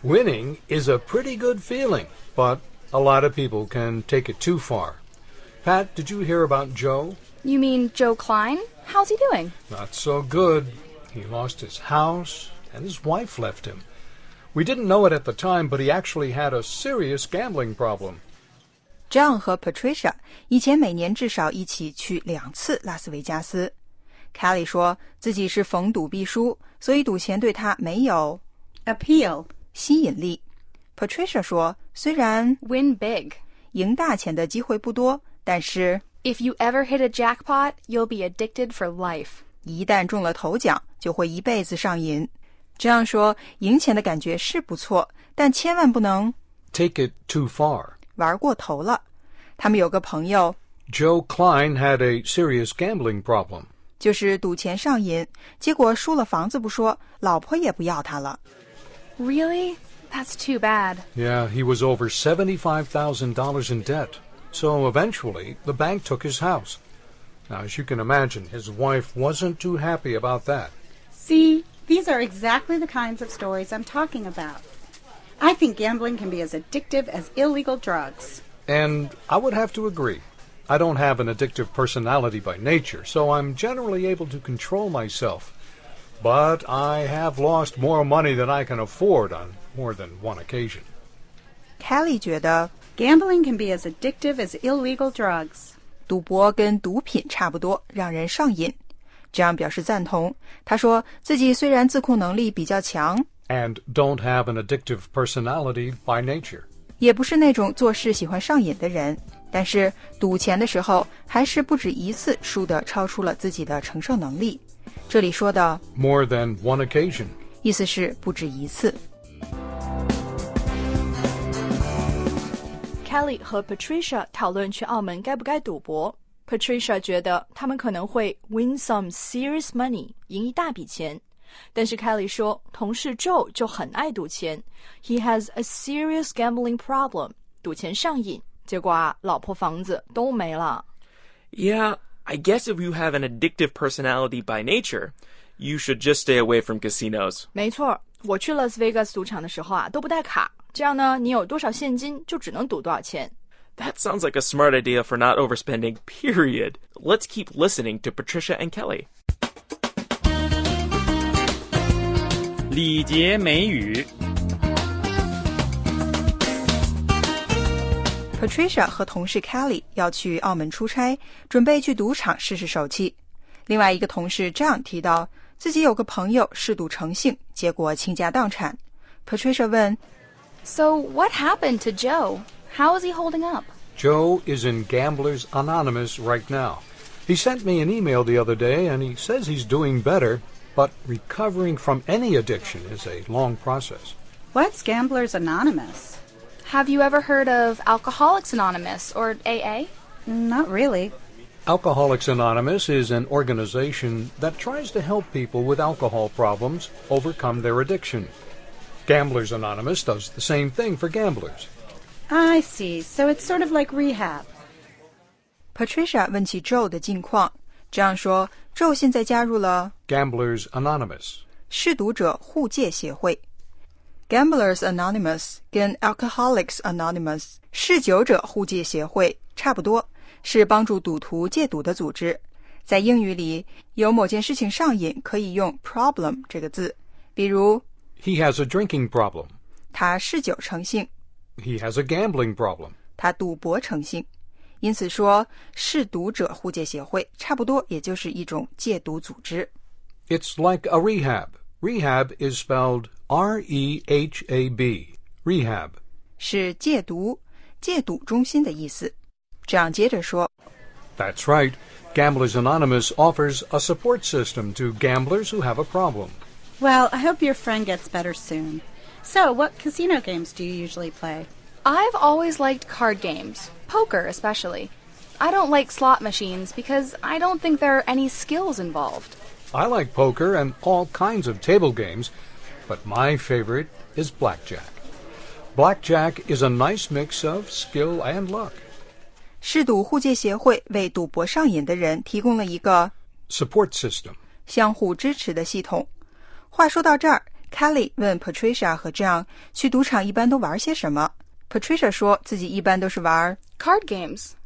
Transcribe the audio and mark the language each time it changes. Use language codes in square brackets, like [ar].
[en] Winning is a pretty good feeling, but a lot of people can take it too far. Pat, did you hear about Joe? You mean Joe Klein? How's he doing? Not so good. He lost his house, and his wife left him. We didn't know it at the time, but he actually had a serious gambling problem. [zh] John 和 Patricia 以前每年至少一起去两次拉斯维加斯。 Kelly 说自己是逢赌必输，所以赌钱对他没有 [en] appeal [zh] 吸引力。 Patricia 说虽然 [en] win big [zh] 赢大钱的机会不多，但是 [en] if you ever hit a jackpot, you'll be addicted for life. [zh] 一旦中了头奖，就会一辈子上瘾。这样说赢钱的感觉是不错，但千万不能 [en] take it too far [zh] 玩过头了。他们有个朋友 [en] Joe Klein had a serious gambling problem. [zh] 就是赌钱上瘾，结果输了房子不说，老婆也不要他了。 [en] Really? That's too bad. Yeah, he was over $75,000 in debt. So eventually, the bank took his house. Now, as you can imagine, his wife wasn't too happy about that. See, these are exactly the kinds of stories I'm talking about. I think gambling can be as addictive as illegal drugs. And I would have to agree. I don't have an addictive personality by nature, so I'm generally able to control myself. But I have lost more money than I can afford on more than one occasion. [zh] Kelly 觉得 [en] Gambling can be as addictive as illegal drugs. [zh] 赌博跟毒品差不多，让人上瘾。John 表示赞同，他说自己虽然自控能力比较强 [en] And don't have an addictive personality by nature. [zh] 也不是那种做事喜欢上瘾的人。但是赌钱的时候还是不止一次输得超出了自己的承受能力。这里说的 [en] More than one occasion [zh] 意思是不止一次。 Kelly 和 Patricia 讨论去澳门该不该赌博。 Patricia 觉得他们可能会 [en] win some serious money [zh] 赢一大笔钱。但是 Kelly 说同事 Joe 就很爱赌钱。 [en] He has a serious gambling problem [zh] 赌钱上瘾。结果啊，老婆房子都没了。 [en] Yeah, I guess if you have an addictive personality by nature, you should just stay away from casinos. [zh] 没错，我去 Las Vegas 赌场的时候啊，都不带卡。这样呢，你有多少现金，就只能赌多少钱。 [en] That sounds like a smart idea for not overspending, period. Let's keep listening to Patricia and Kelly. [zh] 礼节美语 Patricia 和同事 Kelly 要去澳门出差，准备去赌场试试手气。另外一个同事 John 提到自己有个朋友嗜赌成性，结果倾家荡产。 Patricia 问 [en] So what happened to Joe? How is he holding up? Joe is in Gamblers Anonymous right now. He sent me an email the other day and he says he's doing better, but recovering from any addiction is a long process. What's Gamblers Anonymous? Have you ever heard of Alcoholics Anonymous, or AA? Not really. Alcoholics Anonymous is an organization that tries to help people with alcohol problems overcome their addiction. Gamblers Anonymous does the same thing for gamblers. I see, so it's sort of like rehab. [zh] Patricia 问起 Joe 的近况。John 说 Joe 现在加入了 [en] Gamblers Anonymous, [zh] 嗜赌者互戒协会。 Gamblers Anonymous 跟 Alcoholics Anonymous 嗜酒者互戒协会差不多，是帮助赌徒戒赌的组织。在英语里，有某件事情上瘾可以用 problem 这个字，比如 [en] He has a drinking problem. [zh] 他嗜酒成性。 [en] He has a gambling problem. [zh] 他赌博成性。因此说，嗜赌者互戒协会差不多也就是一种戒赌组织。 [en] It's like a rehab. Rehab is spelled R-E-H-A-B, rehab. [zh] 是戒毒、戒赌中心的意思。这样接着说。 [en] That's right. Gamblers Anonymous offers a support system to gamblers who have a problem. Well, I hope your friend gets better soon. So, what casino games do you usually play? I've always liked card games, poker especially. I don't like slot machines because I don't think there are any skills involved. I like poker and all kinds of table games, but my favorite is blackjack. Blackjack is a nice mix of skill and luck. [zh] 嗜赌互戒协会为赌博上瘾的人提供了一个 [en] support system [zh] 相互支持的系统。话说到这儿 ，Kelly 问 Patricia 和 John 去赌场一般都玩些什么。 Patricia 说自己一般都是玩 [en] card games